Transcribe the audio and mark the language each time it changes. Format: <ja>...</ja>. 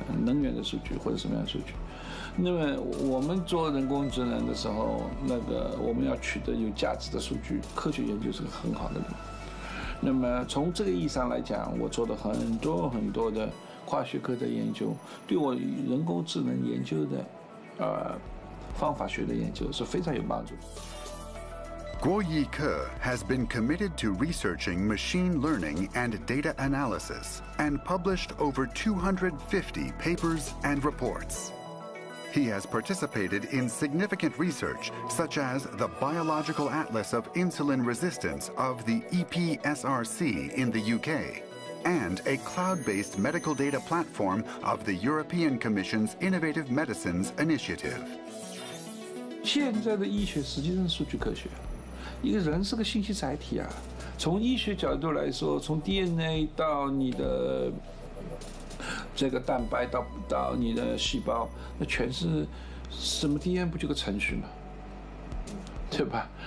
<zh>能源的数据或者什么样的数据？那么我们做人工智能的时候，那个我们要取得有价值的数据，科学研究是个很好的路。那么从这个意义上来讲，我做的很多很多的跨学科的研究，对我人工智能研究的方法学的研究是非常有帮助的。</zh> <en>GUO Yike has been committed to researching machine learning and data analysis and published over 250 papers and reports. He has participated in significant research such as the Biological Atlas of Insulin Resistance of the EPSRC in the UK and a cloud-based medical data platform of the European Commission's Innovative Medicines Initiative.</en> <zh>现在的医学实际上数据科学。一个人是个信息载体啊，从医学角度来说，从 DNA 到你的这个蛋白到你的细胞，那全是什么 DNA 不就个程序吗？对吧？</zh>